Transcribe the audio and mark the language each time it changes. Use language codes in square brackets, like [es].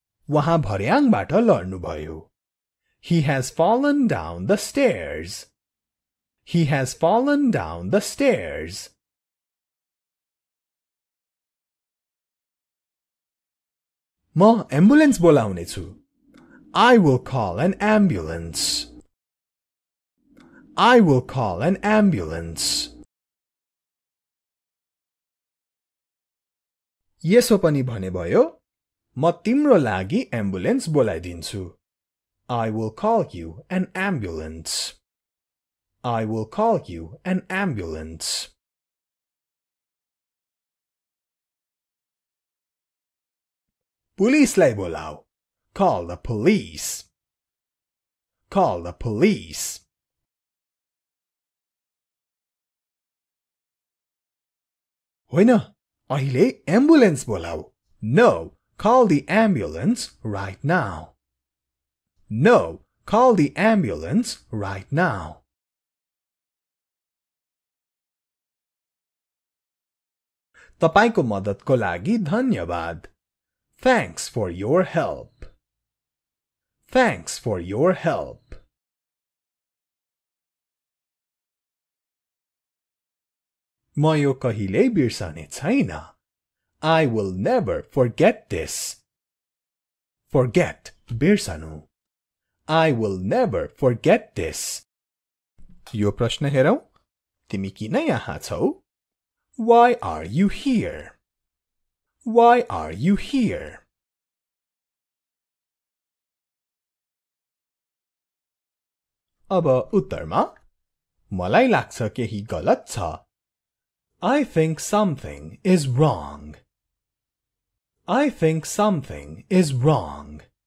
[ne] वहाँ भर्याङबाट लड्नु भयो. [en] He has fallen down the stairs. He has fallen down the stairs. [ne] म ambulance बोलाउनेछु. [en] I will call an ambulance. I will call an ambulance. [ne] यसो पनि भने भयो. म तिम्रो लागि ambulance बोलाइदिन्छु. [en] I will call you an ambulance. I will call you an ambulance. [ne] पुलिसलाई बोलाऊ. [en] Call the police. Call the police. [ne] होइन, अहिले एम्बुलेन्स बोलाऊ. [en] No, call the ambulance right now. No, call the ambulance right now. [ne] तपाईंको मद्दतको लागि धन्यवाद. [en] Thanks for your help. Thanks for your help. [ne] म यो कहिले बिर्सने छैन. [en] I will never forget this. [ne] Forget, बिर्सनु. [en] I will never forget this. [ne] यो प्रश्न हेरौ. तिमी किन यहाँ छौ? [en] Why are you here? Why are you here? [ne] अब उत्तरमा मलाई लाग्छ केही गलत छ. [en] I think something is wrong. I think something is wrong.